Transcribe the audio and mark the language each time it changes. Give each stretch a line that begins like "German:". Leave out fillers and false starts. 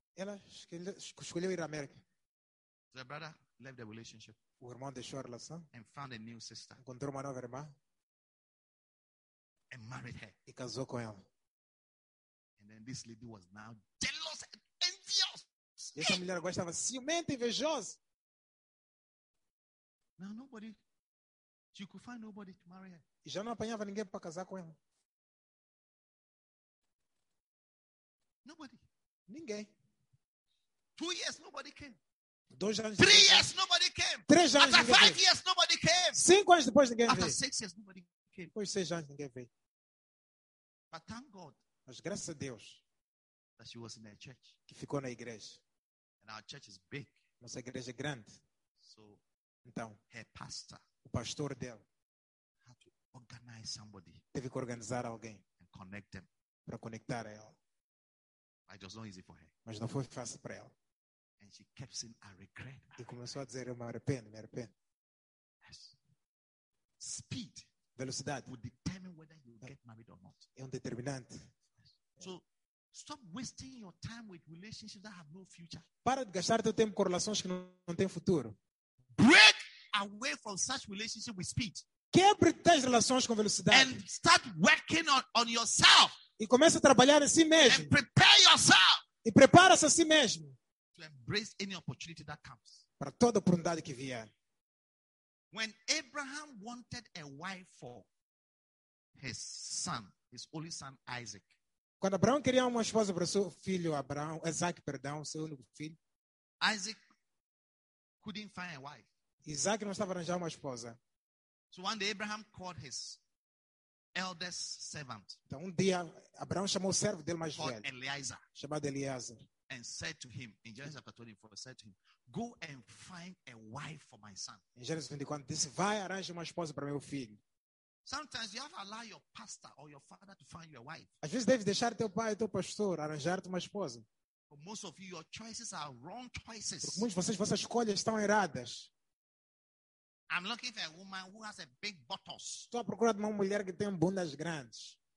Portuguese: Ela escolheu ir à América.
English: The brother left the relationship.
Portuguese: O irmão deixou a relação.
English: And found a new sister.
Portuguese: Encontrou uma nova irmã.
English: And married her.
Portuguese: E casou com ela.
English: And then this lady was now jealous and envious.
Portuguese: E essa mulher agora estava ciumenta e invejosa.
English: Now nobody, she could find nobody to marry her.
Portuguese: E já não apanhava ninguém para casar com ela.
English: Nobody.
Portuguese: Ninguém.
English: 2 years, nobody came.
Portuguese: 2 anos.
English: 3 years, nobody came.
Portuguese: 3 anos.
English: After 5 years, nobody came.
Portuguese: 5 anos depois, ninguém
English: After
Portuguese: veio.
English: After 6 years, nobody came.
Portuguese: Depois 6 anos, ninguém veio.
English: But thank God.
Portuguese: Mas graças a Deus.
English: That she was in a church.
Portuguese: Que ficou na igreja.
English: And our church is big.
Portuguese: Nossa igreja é grande.
English: So,
Portuguese: então,
English: her pastor.
Portuguese: O pastor dela.
English: Had to organize somebody.
Portuguese: Teve que organizar alguém.
English: And connect them.
Portuguese: Para conectar a ela.
English: I just don't easy for her.
Portuguese: Mas não foi fácil para ela.
English: And she kept saying, I regret.
Portuguese: E começou a dizer, eu me arrependo, me arrependo.
English: Yes. Speed.
Portuguese: Velocidade.
English: Will determine whether you get married or not.
Portuguese: É determinante.
English: Yes. So, stop wasting your time with relationships that have no future.
Portuguese: Para de gastar teu tempo com relações que não têm futuro.
English: Break away from such relationships with speed.
Portuguese: Quebre tais relações com velocidade.
English: And start working on yourself.
Portuguese: E começa a trabalhar em si mesmo.
English: And prepare yourself.
Portuguese: E prepara-se a si mesmo.
English: To embrace any opportunity that comes.
Portuguese: Para toda oportunidade que vier.
English: When Abraham wanted a wife for his son, his only son Isaac.
Portuguese: Quando Abraão queria uma esposa para seu filho Abraão, Isaac, perdão, seu único filho.
English: Isaac couldn't find a wife.
Portuguese: Isaac não estava arranjando uma esposa.
English: So one day Abraham called his eldest servant.
Portuguese: Então dia Abraão chamou o servo dele mais velho.
English: Eliezer.
Portuguese: Chamado Eliezer.
English: And said to him in Genesis chapter 24, said to him, go and find a wife for my son.
Portuguese: Em Gênesis 24 disse, vai arranjar uma esposa para meu filho.
English: Sometimes you have to allow your pastor or your father to find you a wife.
Portuguese: Às vezes deve deixar teu pai ou teu pastor arranjar-te uma esposa.
English: For most of you, your choices are wrong choices.
Portuguese: Porque muitos de vocês, vossas escolhas estão erradas.
English: I'm looking for a woman who has a big buttocks.
Portuguese: Estou a procurar uma mulher que tem bundas grandes.